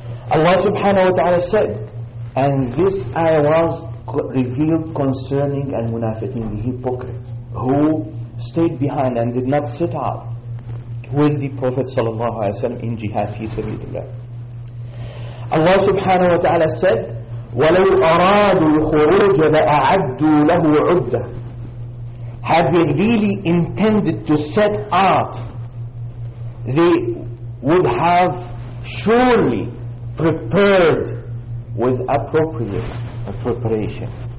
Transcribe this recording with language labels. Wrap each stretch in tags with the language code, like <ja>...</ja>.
<en>Allah subhanahu wa ta'ala said, and this ayah was revealed concerning al-munafiqin, the hypocrite, who stayed behind and did not sit out with the Prophet sallallahu alaihi wasallam in jihad fi sabilillah. Allah subhanahu wa ta'ala said,</en> <ar>وَلَوْ أَرَادُوا الْخُرُوجَ لَأَعَدُّوا لَهُ عُدَّةً.</ar> <en>Had they really intended to set out, they would have surely prepared with appropriate preparation.</en>